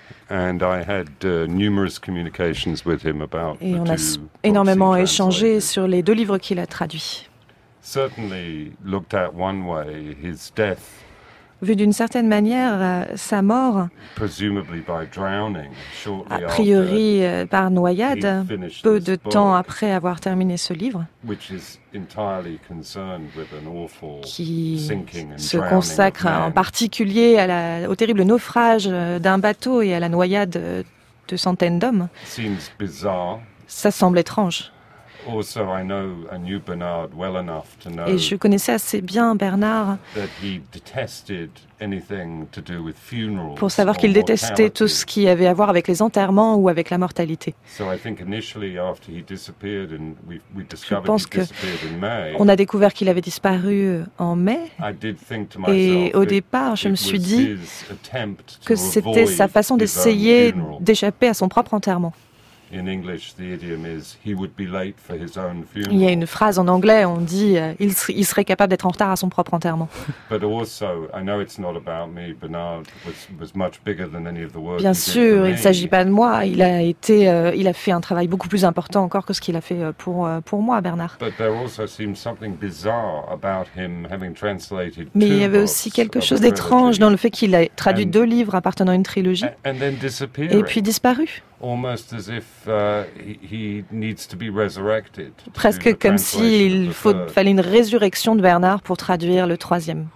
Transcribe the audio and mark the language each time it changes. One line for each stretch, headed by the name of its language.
English: And I had numerous communications with him about
French: et on a énormément échangé sur les deux livres qu'il a traduits.
English: Certainly looked at one way, his death.
French: Vu d'une certaine manière, sa mort,
English: presumably by drowning, shortly
French: a priori
English: after,
French: par noyade, peu de temps après avoir terminé ce livre,
English: which is entirely concerned with an awful
French: qui se consacre en particulier au terrible naufrage d'un bateau et à la noyade de centaines d'hommes.
English: Seems bizarre.
French: Ça semble étrange.
English: Also, I know, I knew Bernard well enough to know
French: et je connaissais assez bien Bernard
English: that he detested anything to do with funerals
French: pour savoir qu'il détestait tout ce qui avait à voir avec les enterrements ou avec la mortalité. Je pense qu'on a découvert qu'il avait disparu en mai. Et au départ, je me suis dit que c'était sa façon d'essayer d'échapper à son propre enterrement. Il y a une phrase en anglais, on dit il serait capable d'être en retard à son propre enterrement.
English: But also, I know it's not about me. Bernard was much bigger than any of the work.
French: Bien sûr, il ne s'agit pas de moi. Il a fait un travail beaucoup plus important encore que ce qu'il a fait pour moi, Bernard.
English: But there also seemed something bizarre about him having translated two.
French: Mais il y avait aussi quelque chose d'étrange dans le fait qu'il ait traduit deux livres appartenant à une trilogie.
English: And then disappeared.
French: Et puis disparu.
English: Almost as if he needs to be resurrected.
French: Presque comme s'il fallait une résurrection de Bernard pour traduire le troisième.